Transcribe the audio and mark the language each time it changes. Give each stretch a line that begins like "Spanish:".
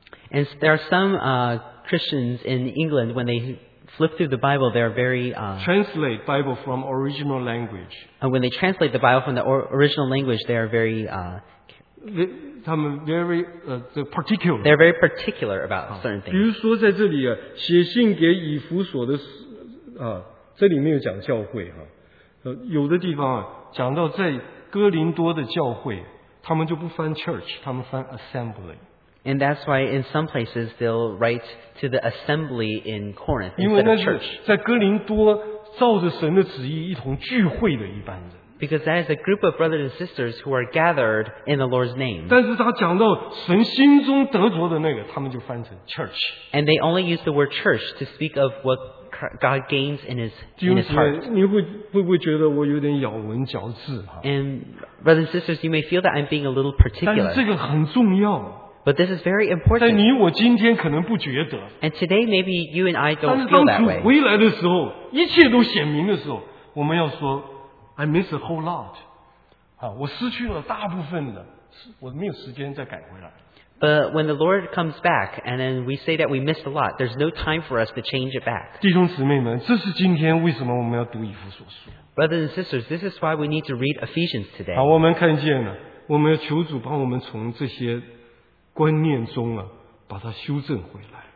English: And there are some Christians in England, when they flip through the Bible, they are very... Translate Bible from original language. And when they translate the Bible from the original language, they are very... They're very particular. They're very particular about certain things.
Chinese: 比如说在这里啊，写信给以弗所的啊，这里没有讲教会啊，有的地方啊，讲到在哥林多的教会，他们就不翻 church, 他们翻 assembly。
English: And that's why in some places they'll write to the assembly in Corinth instead of church.
Chinese: 在哥林多照着神的旨意一同聚会的一般人。
English: Because that is a group of brothers and sisters who are gathered in the Lord's name.
Chinese: 但是他讲到神心中得着的那个，他们就翻成 church.
English: And they only use the word church to speak of what God gains in his heart.
Chinese: 你会不会觉得我有点咬文嚼字？
English: And brothers and sisters, you may feel that I'm being a little particular.
Chinese: 但是这个很重要。
English: But this is very important.
Chinese: 但你我今天可能不觉得。
English: And today maybe you and I don't feel that way.
Chinese: 但是当主回来的时候，一切都显明的时候，我们要说 ，
English: I miss a whole lot.
Chinese: 啊，我失去了大部分的，我没有时间再改回来。
English: But when the Lord comes back, and then we say that we missed a lot, there's no time for us to change it back.
Chinese: 弟兄姊妹们，这是今天为什么我们要读以弗所书。
English: Brothers and sisters, this is why we need to read Ephesians today.
Chinese: 好，我们看见了，我们要求主帮我们从这些。观念中啊，把它修正回来。